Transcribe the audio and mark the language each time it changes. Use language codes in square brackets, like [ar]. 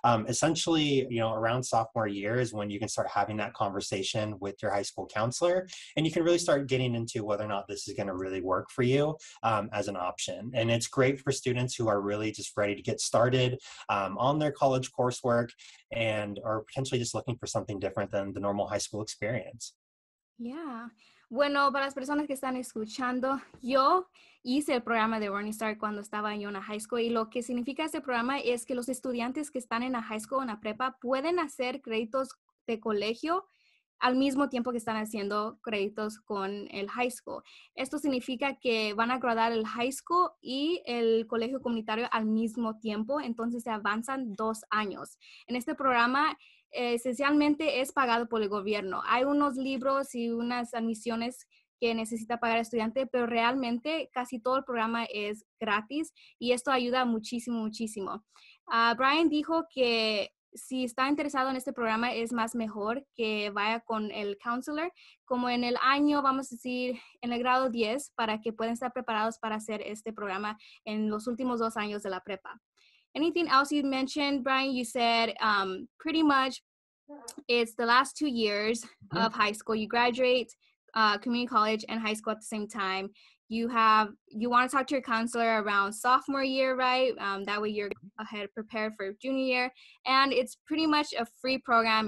[en] Essentially, you know, around sophomore year is when you can start having that conversation with your high school counselor and you can really start getting into whether or not this is going to really work for you as an option. And it's great for students who are really just ready to get started on their college coursework and are potentially just looking for something different than the normal high school experience. Yeah. [es] Bueno, para las personas que están escuchando, yo hice el programa de Running Start cuando estaba yo en la high school y lo que significa este programa es que los estudiantes que están en la high school o en la prepa pueden hacer créditos de colegio al mismo tiempo que están haciendo créditos con el high school. Esto significa que van a graduar el high school y el colegio comunitario al mismo tiempo, entonces se avanzan 2 años. En este programa, esencialmente es pagado por el gobierno. Hay unos libros y unas admisiones que necesita pagar el estudiante, pero realmente casi todo el programa es gratis y esto ayuda muchísimo, muchísimo. Brian dijo que si está interesado en este programa, es más mejor que vaya con el counselor, como en el año, vamos a decir, en el grado 10, para que puedan estar preparados para hacer este programa en los últimos 2 años de la prepa. [en] Anything else you mentioned, Brian? You said pretty much it's the last 2 years of high school. You graduate community college and high school at the same time. You want to talk to your counselor around sophomore year, right? That way you're ahead prepared for junior year. And it's pretty much a free program.